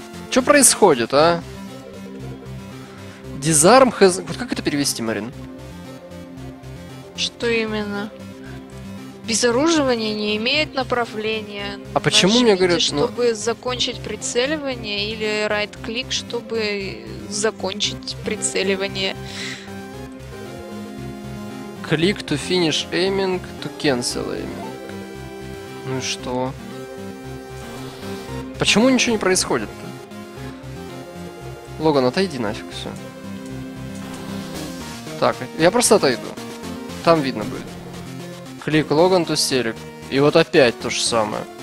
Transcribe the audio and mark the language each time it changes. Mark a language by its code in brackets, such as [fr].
[ru] Чё происходит, а? [en] Disarm has... [ru] Вот как это перевести, Марин? Что именно? Безоруживание не имеет направления. А почему мне говорят, чтобы закончить прицеливание или right-click, чтобы закончить прицеливание? [en] Click to finish aiming to cancel aiming. [ru] Ну и что? Почему ничего не происходит-то? Логан, отойди нафиг, все. Так, я просто отойду. Там видно будет. Клик Логан ту селик. И вот опять то же самое.